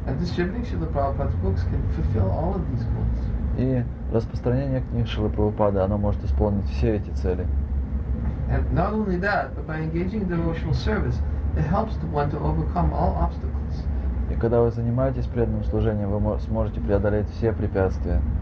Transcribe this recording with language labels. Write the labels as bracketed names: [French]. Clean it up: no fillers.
[English] And distributing Srila Prabhupada's books can fulfill all of these goals. [Russian] И распространение книг Шрилы Прабхупады, оно может исполнить все эти цели. [English] And not only that, but by engaging in devotional service, it helps the one to overcome all obstacles. [Russian] И когда вы занимаетесь преданным служением, вы сможете преодолеть все препятствия.